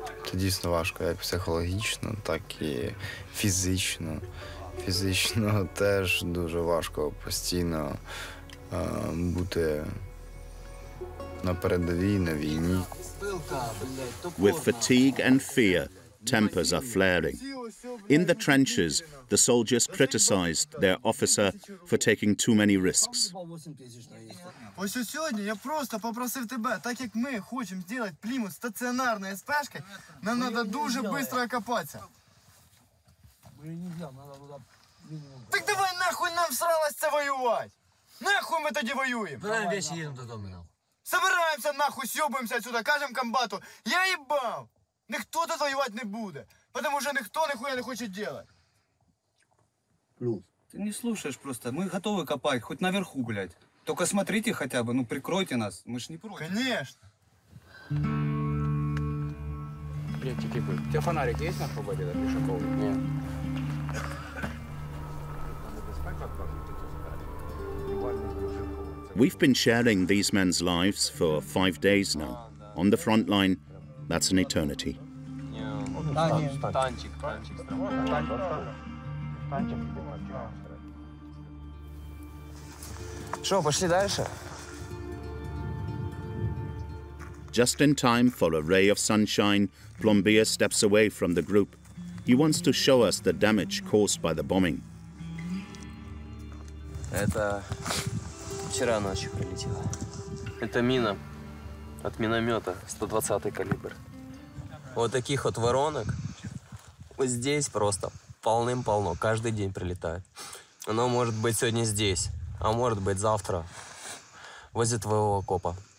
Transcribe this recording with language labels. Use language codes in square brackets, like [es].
[uk] Це дійсно важко, як психологічно, так і фізично. Фізично теж дуже важко постійно бути на передовій, на війні. [en] With fatigue and fear, tempers are flaring. In the trenches, the soldiers criticized their officer for taking too many risks. [uk] Ось сьогодні я просто попросив тебе, так як ми хочемо зробити плімут стаціонарної спешки, нам треба дуже швидко окопатися. Так давай нахуй нам сралось це воювати! Нахуй ми тоді воюємо! [ru] Берем вещи, [uk] їдемо додому. Собираємося нахуй, сьобуємося сюди, кажемо комбату, я їбав! Ніхто тут воювати не буде, тому що ніхто ніхуя не хоче робити. Плюс. Ти не слухаєш просто, ми готові копати, хоч наверху, блядь. [ru] Только смотрите хотя бы, ну прикройте нас, мы ж не против. Конечно. Блядь, тихо будет. У тебя фонарик есть на свободе, да, пешаков? Нет. [en] We've been sharing these men's lives for 5 days now. On the front line, that's an eternity. [uk] Що, пішли далі? [en] Just in time for a ray of sunshine, Plombier steps away from the group. He wants to show us the damage caused by the bombing. [ru] Это вчера ночью прилетело. Это мина от миномета, 120-й калибр. Вот таких вот воронок вот здесь просто полным-полно, каждый день прилетает. Оно может быть сегодня здесь. А может быть, завтра возле твоего окопа.